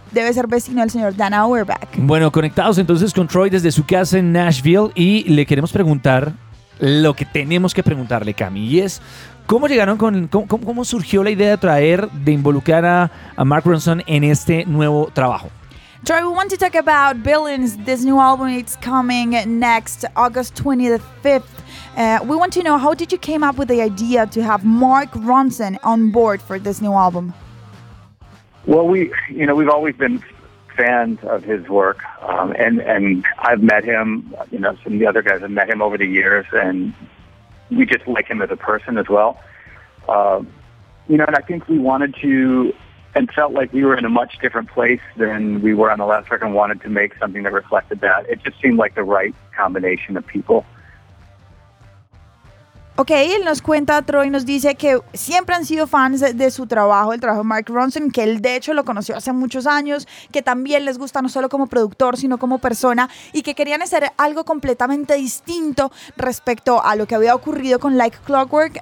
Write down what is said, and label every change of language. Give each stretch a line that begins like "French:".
Spanish: Debe ser vecino el señor Dan Auerbach. Bueno, conectados entonces con Troy desde su casa en Nashville y le queremos preguntar lo que tenemos que preguntarle, Cami, y es cómo llegaron con cómo surgió la idea de traer, de involucrar a Mark Ronson en este nuevo trabajo.
English: Troy, we want to talk about Villains, this new album. It's coming next August 25th. We want to know, how did you came up with the idea to have Mark Ronson on board for this new album? Well, we've always been fans of his work, and I've met him, you know, some of the other guys have met him over the years, and we just like him as a person as well. And I think we wanted to, and felt like we were in a much different place than we were on the last record, and wanted to make something that reflected that. It just seemed like the right combination of people.
Spanish: Ok, él nos cuenta, Troy nos dice que siempre han sido fans de su trabajo, el trabajo de Mark Ronson, que él de hecho lo conoció hace muchos años, que también les gusta no solo como productor, sino como persona, y que querían hacer algo completamente distinto respecto a lo que había ocurrido con Like Clockwork.